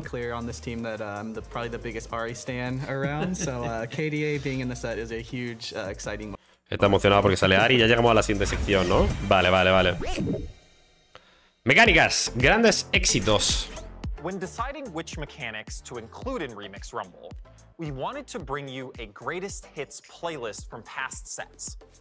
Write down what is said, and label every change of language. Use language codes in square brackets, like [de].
[en] Pretty clear on this team that the probably the biggest Ahri stan around. So KDA being in the set is a huge exciting. [es] Está emocionado porque sale Ahri y ya llegamos a la siguiente sección, ¿no? Vale, vale, vale. Mecánicas, grandes éxitos. [en] When deciding which mechanics to include in Remix Rumble, we wanted to bring you a greatest hits playlist from past sets.